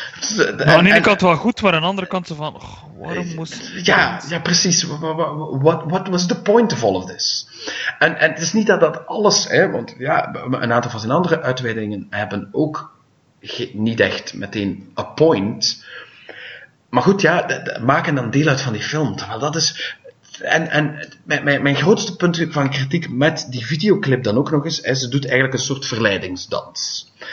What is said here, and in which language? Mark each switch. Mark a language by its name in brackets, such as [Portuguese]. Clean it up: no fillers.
[Dutch] Maar aan de ene kant wel goed, maar aan de andere kant van, oh, waarom moest... Ja, ja, precies. [English] What was the point of all of this? [Dutch] En het is niet dat alles, hè, want ja, een aantal van zijn andere uitweidingen hebben ook niet echt meteen [English] a point. [Dutch] Maar goed, ja, maken dan deel uit van die film. Terwijl dat is... En mijn grootste punt van kritiek met die videoclip dan ook nog eens, is, ze doet eigenlijk een soort verleidingsdans.